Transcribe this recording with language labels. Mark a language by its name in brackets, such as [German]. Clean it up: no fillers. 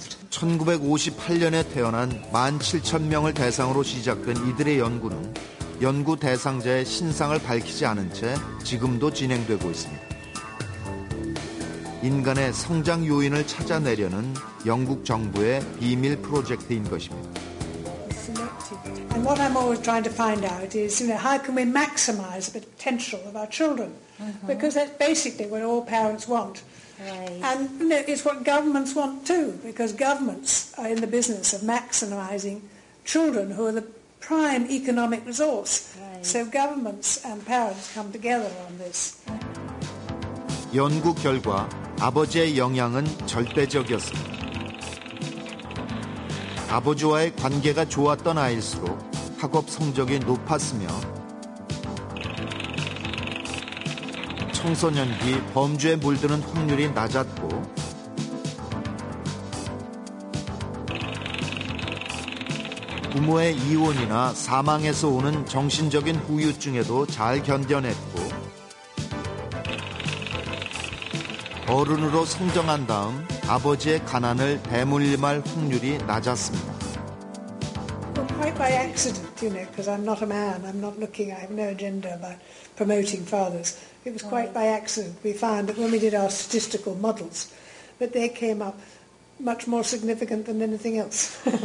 [Korean] 1958년에 태어난 17,000명을 대상으로 시작된 이들의 연구는 연구 대상자의 신상을 밝히지 않은 채 지금도 진행되고 있습니다. 인간의 성장 요인을 찾아내려는 영국 정부의 비밀 프로젝트인 것입니다. [English] And what I'm always trying to find out is, you know, how can we maximize the potential of our children? Because that's basically what all parents want. Right. And you know, it's what governments want too, because governments are in the business of maximizing children who are the prime economic resource. Right. So governments and parents come together on this. [Korean] 연구 결과 아버지의 영향은 절대적이었습니다. 아버지와의 관계가 좋았던 아이일수록 학업 성적이 높았으며 청소년기 범죄에 물드는 확률이 낮았고 부모의 이혼이나 사망에서 오는 정신적인 후유증에도 잘 견뎌냈고 어른으로 성장한 다음 아버지의 가난을 대물림할 확률이 낮았습니다. [English] Well, quite by accident, you know, because I'm not a man, I'm not looking, I have no agenda about promoting fathers. It was quite by accident we found that when we did our statistical models, but they came up much more significant than anything else.